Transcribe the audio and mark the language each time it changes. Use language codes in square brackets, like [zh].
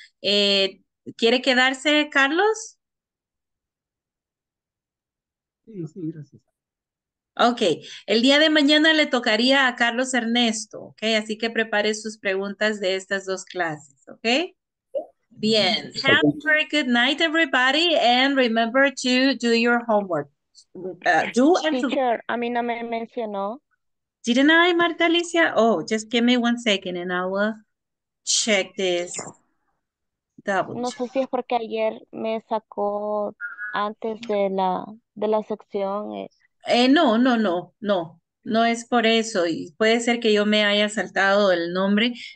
[es] ¿Quiere quedarse, Carlos? Sí, sí, gracias. Ok, el día de mañana le tocaría a Carlos Ernesto, ¿ok? Así que prepare sus preguntas de estas dos clases, ¿ok? Bien. [en] Have a very good night, everybody, and remember to do your homework. Do and [es] teacher, a mí no me mencionó. [en] Didn't I, Marta Alicia? Oh, just give me one second and I will check this. Double. [es] No sé si es porque ayer me sacó antes de la sección. No es por eso. Y puede ser que yo me haya saltado el nombre.